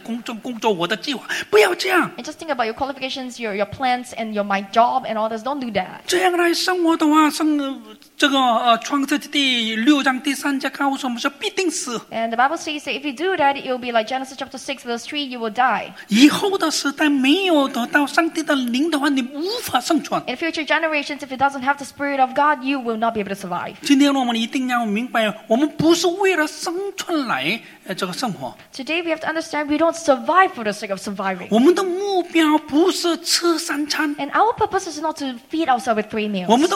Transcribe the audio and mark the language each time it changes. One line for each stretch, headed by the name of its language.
Chinese: 然而只是想文凭、文凭、成绩、成绩、成绩、工作、工作、我的计划。不要这样。
English: And just think about your qualifications, your plans, and your my job, and all this. Don't do that.
Chinese: 这样来生活的话，创世纪第六章第三节告诉我们说必定死。
English: And the Bible says that if you do that, it will be like Genesis chapter 6, verse 3, you will die.
Chinese: 以后的时代没有得到上帝的灵的话，你无法生存。
English: In future generations, if it doesn't have the spirit of God, you will not be able to survive.
Chinese: 今天我们一定要明白，我们不是为了生存来这个生活。
English: Today we have to understand we don't survive for the sake of surviving.
Chinese: 我们的目标不是吃三餐。
English: And our purpose is not to feed ourselves with 3 meals.